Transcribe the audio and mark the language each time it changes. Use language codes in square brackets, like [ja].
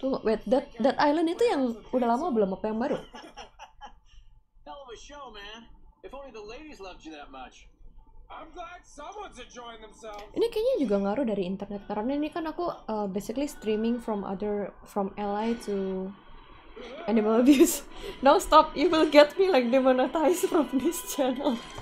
[id] Tuh, [en] wait, that island [id] itu yang udah lama belum apa yang baru? [en] Hell of a show, man. If only the ladies loved you that much. I'm glad someone's enjoying themselves. [id] Ini kayaknya juga ngaruh dari internet karena ini kan aku [en] basically streaming from LA to animal abuse. Now stop, you will get me like demonetized from this channel.